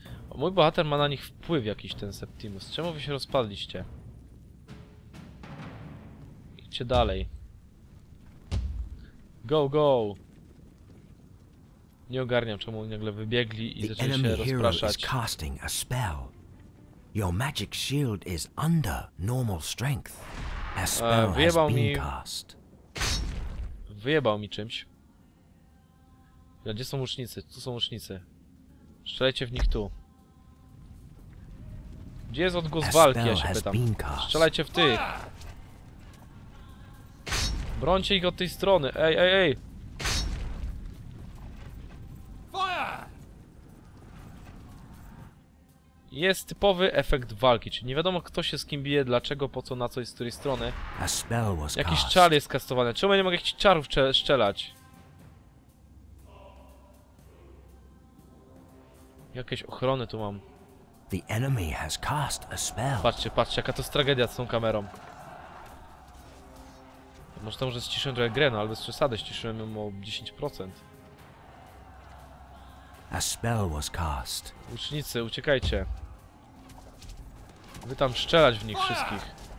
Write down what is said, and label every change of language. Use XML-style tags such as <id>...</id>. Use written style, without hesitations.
<pl>O, mój bohater ma na nich wpływ jakiś, ten Septimus. Czemu wy się rozpadliście? Idźcie dalej.</pl> <en>Go, go!</en> <pl>Nie ogarniam, czemu oni nagle wybiegli i zaczęli się rozpraszać.</pl> <en>Casting a spell. Your magic shield is under normal strength. A spell has</en> <pl>wyjebał mi czymś. Gdzie są łucznicy? Tu są łucznicy. Strzelajcie w nich tu. Gdzie jest odgłos walki, ja się pytam. Strzelajcie w tych. Brońcie ich od tej strony. Ej, ej, ej.</pl> <en>Fire!</en> <pl>Jest typowy efekt walki, czyli nie wiadomo kto się z kim bije, dlaczego, po co, na co i z której strony. Jakiś czar jest kastowany. Czemu ja nie mogę jakichś czarów strzelać? Jakieś ochrony tu mam.</pl> <en>The enemy has cast a spell.</en> <pl>Patrzcie, patrzcie, jaka to jest tragedia z tą kamerą. Może to może ściszyłem trochę grę, no ale bez przesady, ściszyłem ją o 10%.</pl> <en>A spell was cast.</en> <pl>Łucznicy, uciekajcie. Wy tam strzelać w nich wszystkich.</pl>